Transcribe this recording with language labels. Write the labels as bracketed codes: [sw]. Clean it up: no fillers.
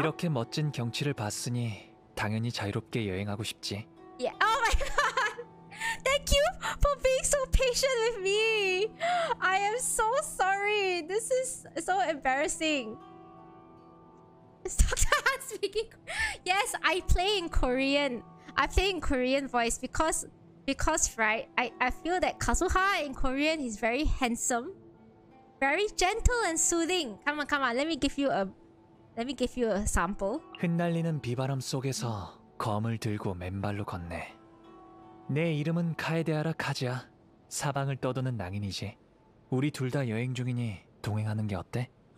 [ko] 이렇게 멋진 경치를 봤으니 당연히 자유롭게 여행하고 싶지. [en] Yeah. Oh my god. Thank you for being so patient with me. I am so sorry. This is so embarrassing. Speaking. Yes, I play in Korean. I play in Korean voice because right, I feel that Kazuha in Korean is very handsome, very gentle and soothing. Come on. Let me give you a sample. [ko] 흩날리는 비바람 속에서 검을 들고 맨발로 걷네. 내 이름은 카에데아라 카즈야. 사방을 떠도는 낭인이지. 우리 둘 다 여행 중이니 동행하는 게 어때?